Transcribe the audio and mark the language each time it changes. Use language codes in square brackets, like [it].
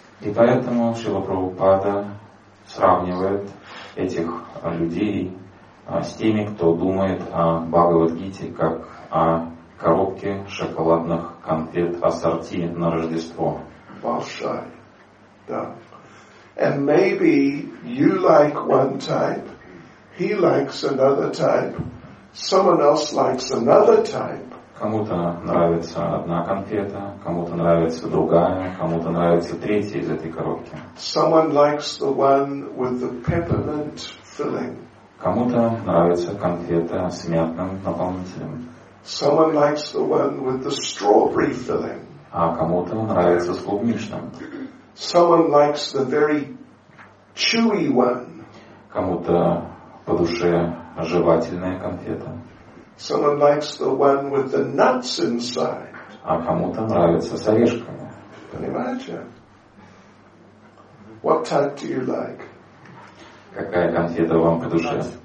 [ru] И поэтому Шрила Прабхупада сравнивает этих людей с теми, кто думает о Бхагавад-гите как о коробке шоколадных конфет ассорти на Рождество. Большой. Да. [en] And maybe you like one type, he likes another type, someone else likes another type. [ru] Кому-то нравится одна конфета, кому-то нравится другая, кому-то нравится третья из этой коробки. [en] Someone likes the one with the peppermint filling. [ru] Кому-то нравится конфета с мятным наполнителем. [en] Someone likes the one with the strawberry filling. [ru] А кому-то нравится с клубничным. [en] Someone likes the very chewy one. [ru] Кому-то по душе жевательная конфета. [en] Someone likes the one with the nuts inside. [ru] А кому-то нравится с орешками. Понимаете? [en] What type do you like? [ru] Какая конфета вам по душе?